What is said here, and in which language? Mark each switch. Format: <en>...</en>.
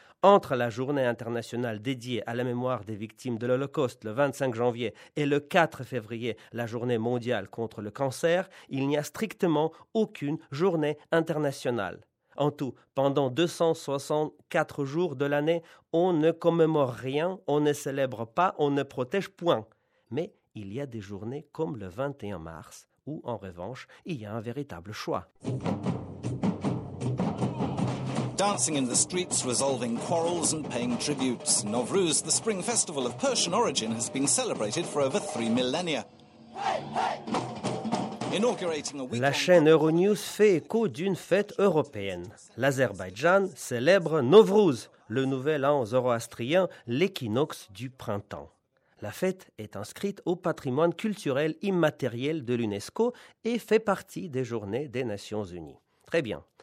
<fr>Entre la journée internationale dédiée à la mémoire des victimes de l'Holocauste, le 25 janvier, et le 4 février, la journée mondiale contre le cancer, il n'y a strictement aucune journée internationale. En tout, pendant 264 jours de l'année, on ne commémore rien, on ne célèbre pas, on ne protège point. Mais il y a des journées comme le 21 mars où, en revanche, il y a un véritable choix.</fr> <en>Dancing in the streets, resolving quarrels and paying tributes. Nowruz, the spring festival of Persian origin, has been celebrated for over 3 millennia.</en> <fr>La chaîne Euronews fait écho d'une fête européenne. L'Azerbaïdjan célèbre Nowruz, le nouvel an zoroastrien, l'équinoxe du printemps. La fête est inscrite au patrimoine culturel immatériel de l'UNESCO et fait partie des journées des Nations Unies. Très bien.</fr>